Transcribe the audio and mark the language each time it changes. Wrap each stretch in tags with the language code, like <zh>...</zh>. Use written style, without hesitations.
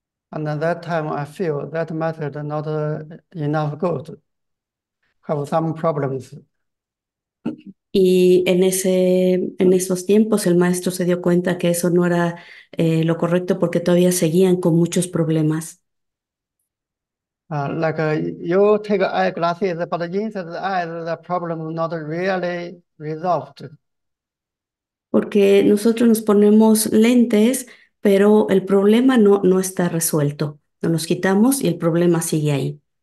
<en>And at that time, I feel that method not enough good. Have some problems.</en> <es>Y en esos tiempos el maestro se dio cuenta que eso no era lo correcto porque todavía seguían con muchos problemas.</es> <en>You take eyeglasses, but inside the eyes, the problem not really resolved.</en> <es>Porque nosotros nos ponemos lentes, pero el problema no está resuelto. Nos los quitamos y el problema sigue ahí.</es>